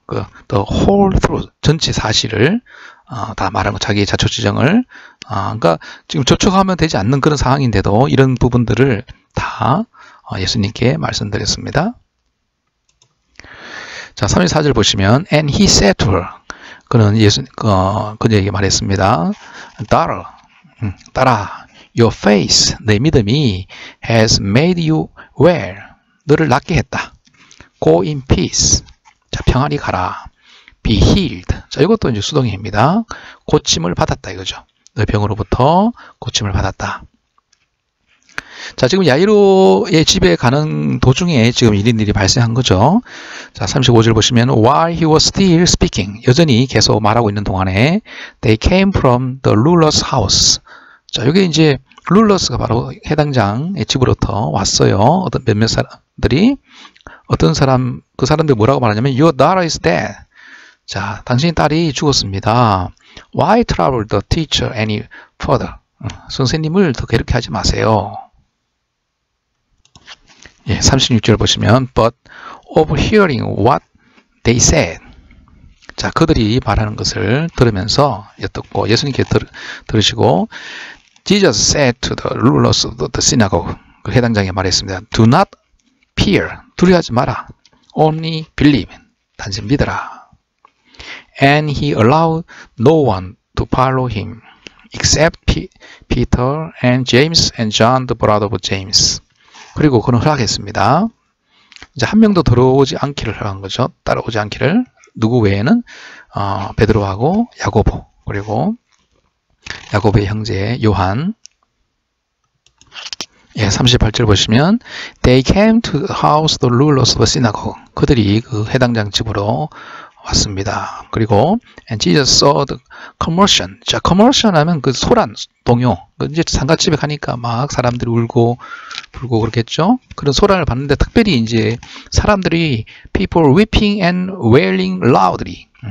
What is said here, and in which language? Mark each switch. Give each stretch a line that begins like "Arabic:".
Korean: 그
English: the whole truth,
Korean: 전체 사실을 다 말한 거, 자기의 자초지정을 그러니까 지금 저촉하면 되지 않는 그런 상황인데도 이런 부분들을 다 예수님께 말씀드렸습니다. 자, 34절 보시면
English: and he said to her.
Korean: 그는 그녀에게 말했습니다.
English: Daughter, your faith,
Korean: 내 믿음이
English: has made you well.
Korean: 너를 낫게 했다.
English: Go in peace.
Korean: 자, 평안히 가라.
English: Be healed.
Korean: 자, 이것도 이제 수동의입니다. 고침을 받았다 이거죠. 너의 병으로부터 고침을 받았다. 자, 지금 야이로의 집에 가는 도중에 지금 이런 일이 발생한 거죠. 자, 35절 보시면
English: while he was still speaking,
Korean: 여전히 계속 말하고 있는 동안에
English: they came from the ruler's house.
Korean: 자, 이게 이제 룰러스가 바로 해당장의 집으로부터 왔어요. 어떤 몇몇 사람들이 어떤 사람 그 사람들 뭐라고 말하냐면
English: your daughter is dead.
Korean: 자, 당신 딸이 죽었습니다.
English: Why trouble the teacher any further?
Korean: 선생님을 더 괴롭게 하지 마세요. 예, 36절 보시면
English: but overhearing what they said.
Korean: 자, 그들이 말하는 것을 들으면서 듣고 예수님께 들으시고
English: Jesus said to the rulers of the synagogue.
Korean: 그 해당장에 말했습니다.
English: Do not fear.
Korean: 두려워하지 마라.
English: Only believe.
Korean: 단지 믿어라.
English: And he allowed no one to follow him except Peter and James and John the brother of James.
Korean: 그리고 그는 허락했습니다. 이제 한 명도 들어오지 않기를 허락한 거죠. 따라오지 않기를. 누구 외에는 베드로하고 야고보 그리고 야고보의 형제 요한. 예, 38절 보시면
English: They came to the house of the rulers of the synagogue.
Korean: 그들이 그 해당장 집으로 왔습니다. 그리고
English: And Jesus saw the commotion.
Korean: 자, commotion 하면 그 소란, 동요. 이제 상가집에 가니까 막 사람들이 울고 불고 그렇겠죠. 그런 소란을 봤는데 특별히 이제 사람들이
English: people weeping and wailing loudly.